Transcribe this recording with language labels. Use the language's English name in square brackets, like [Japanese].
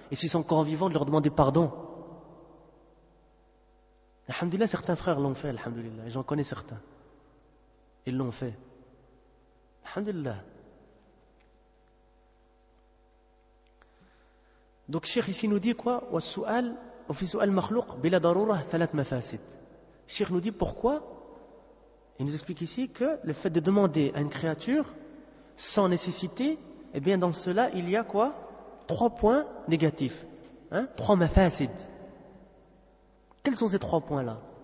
[French] Et s'ils sont encore vivants, de leur demander pardon. Alhamdulillah, certains frères l'ont fait, alhamdulillah. J'en connais certains. Ils l'ont fait. Alhamdulillah. Donc, Cheikh ici nous dit quoi? [Arabic] والسؤال, وفي سؤال مخلوق بلا ضرورة ثلاث مفاسد. [French] Cheikh nous dit pourquoi? Il nous explique ici que le fait de demander à une créature sans nécessité, eh bien, dans cela, il y a quoi? Trois points négatifs. Hein? Trois مفاسد. Quels sont ces trois points-là?